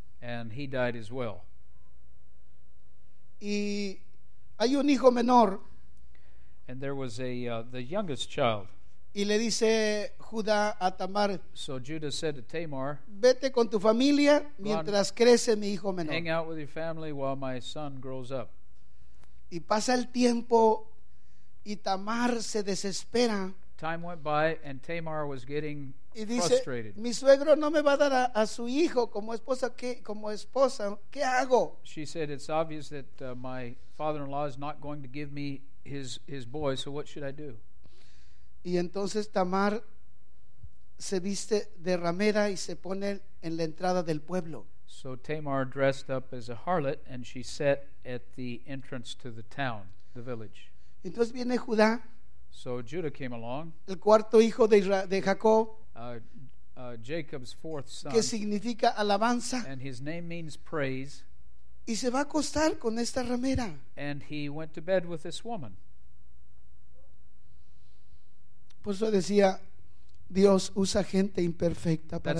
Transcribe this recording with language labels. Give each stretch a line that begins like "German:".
English: And he died as well.
Spanish: Y hay un hijo menor.
English: And there was the youngest child.
Spanish: Y le dice Judá a Tamar,
English: so Judah said to Tamar,
Spanish: vete con tu familia mientras crece mi hijo menor.
English: Hang out with your family while my son grows up.
Spanish: Y pasa el tiempo y Tamar se desespera.
English: Time went by and Tamar was getting
Spanish: y dice,
English: frustrated.
Spanish: Mi suegro no me va a dar a su hijo como esposa, ¿qué hago?
English: She said, it's obvious that my father-in-law is not going to give me his boy, so what should I do?
Spanish: Y entonces Tamar se viste de ramera y se pone en la entrada del pueblo.
English: So Tamar dressed up as a harlot and she sat at the entrance to the town, the village.
Spanish: Entonces viene Judá.
English: So Judah came along.
Spanish: El cuarto hijo de Jacob.
English: Jacob's fourth son.
Spanish: Que significa alabanza.
English: And his name means praise.
Spanish: Y se va a acostar con esta ramera.
English: And he went to bed with this woman.
Spanish: Por eso decía, Dios usa gente imperfecta para